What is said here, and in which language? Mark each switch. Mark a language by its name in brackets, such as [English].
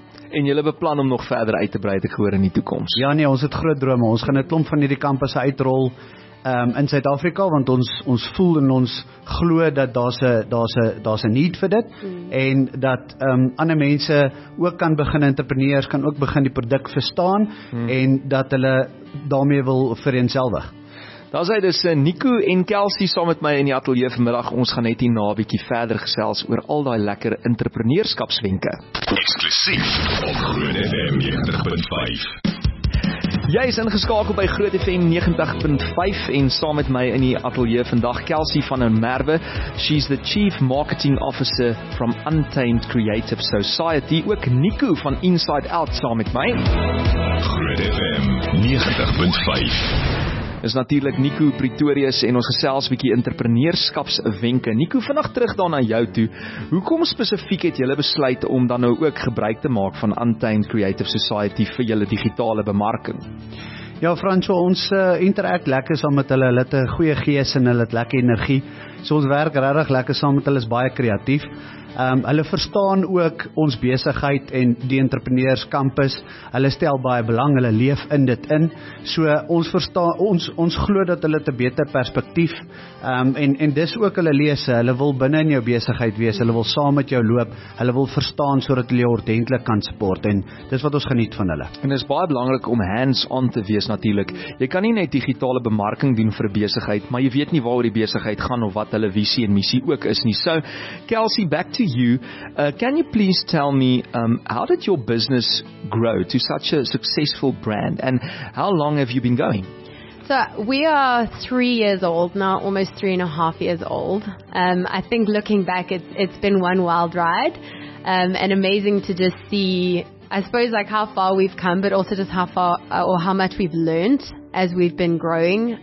[Afrikaans] En julle beplan om nog verder uit te brei, het ek gehoor, in die toekoms. Ja nee, ons het groot drome. Ons gaan 'n klomp van hierdie kampusse uitrol in Suid-Afrika, want ons voel en ons glo dat daar's 'n need vir dit en dat ander mense ook kan begin, entrepreneurs kan ook begin die produk verstaan en dat hulle daarmee wil vereenselwig. Daar sê dis Nico en Kelsey saam met my in die ateljee vanmiddag. Ons gaan net hierna 'n bietjie verder gesels oor al daai lekker entrepreneurskapswenke. Eksklusief op Groot FM 90.5. Jy is ingeskakel by Groot FM 90.5 en saam met my in die ateljee vandag Kelsey van der Merwe. [English] She's the Chief Marketing Officer from Untamed Creative Society. [Afrikaans] Ook Nico van Inside Out saam met my. Groot FM 90.5. Is natuurlik Nico Pretorius en ons gesels bietjie entrepreneurskapswenke. Nico, vinnig terug dan na jou toe. Hoekom spesifiek het julle besluit om dan nou ook gebruik te maak van Untamed Creative Society vir julle digitale bemarking? Ja, Franco, ons interact lekker saam met hulle. Hulle het 'n goeie gees en hulle het lekker energie. So ons werk regtig lekker saam met hulle, is baie kreatief. Hulle verstaan ook ons besigheid en die entrepreneurskampus. Hulle stel baie belang, hulle leef in dit in. So ons verstaan, ons glo dat hulle 'n beter perspektief en dis ook hulle lese. Hulle wil binne in jou besigheid wees, hulle wil saam met jou loop, hulle wil verstaan sodat hulle jou ordentlik kan support en dis wat ons geniet van hulle. En dis baie belangrik om hands-on te wees natuurlik. Jy kan nie net digitale bemarking doen vir 'n besigheid, maar jy weet nie waaroor die besigheid gaan of wat hulle visie en missie ook is nie. [English] So Kelsey, back to you, can you please tell me how did your business grow to such a successful brand and how long have you been going? So we are 3 years old now, almost 3.5 years old. I think looking back, it's been one wild ride and amazing to just see, I suppose, like how far we've come, but also just how far or how much we've learned as we've been growing.